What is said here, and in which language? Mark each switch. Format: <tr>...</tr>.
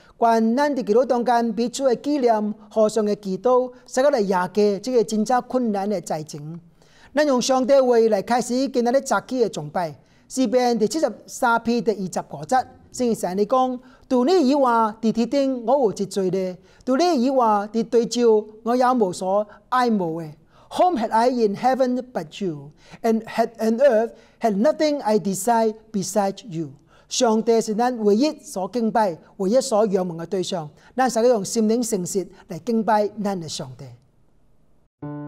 <nan>关咱伫基督中间彼此的纪念、互相的祈祷，使个来压过这个真正困难的灾情。咱用上帝话来开始今仔日早起的崇拜，诗篇第73篇第25节，圣经上帝讲：除你以外，在天顶我有一罪的；除你以外，在地上我也无所爱慕的。</nan> <en>Whom had I in heaven but you, and had on earth had nothing I desire besides you？</en> <nan>上帝是咱唯一所敬拜、唯一所仰望的对象，咱使用心灵诚实来敬拜咱的上帝。</nan>